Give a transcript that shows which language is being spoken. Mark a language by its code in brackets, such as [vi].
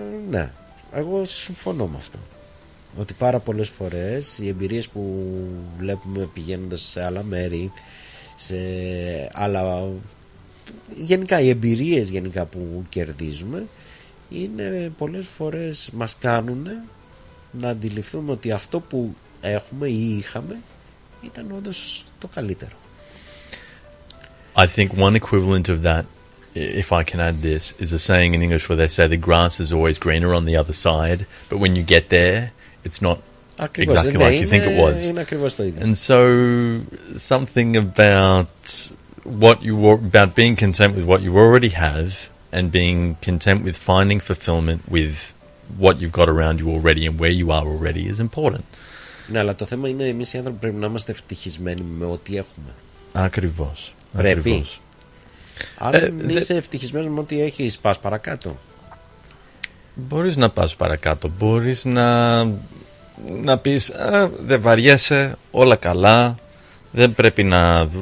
[el] Ναι, εγώ συμφωνώ με αυτό. Ότι πάρα πολλές φορές οι εμπειρίες που βλέπουμε πηγαίνοντας σε άλλα μέρη, σε άλλα, γενικά οι εμπειρίες γενικά που κερδίζουμε, είναι πολλές φορές μας κάνουν να αντιληφθούμε ότι αυτό που έχουμε ή είχαμε ήταν όντως το καλύτερο. [en] I think one equivalent of that, if I can add this, is a saying in English where they say the grass is always greener on the other side, but when you get there, it's not [el] ακριβώς, [en] exactly like you think it was. [el] Είναι ακριβώς το ίδιο. [en] And so something about what you were, about being content with what you already have and being content with finding fulfillment with what you've got around you already and where you are already is important. [el] Ναι, αλλά το θέμα είναι εμείς οι άνθρωποι πρέπει να είμαστε ευτυχισμένοι με ό,τι έχουμε. Ακριβώς. Πρέπει. Αν είσαι ευτυχισμένος με ό,τι έχεις, πας παρακάτω. Μπορείς να πας παρακάτω. Μπορείς να πεις, δεν βαριέσαι, όλα καλά, δεν πρέπει να...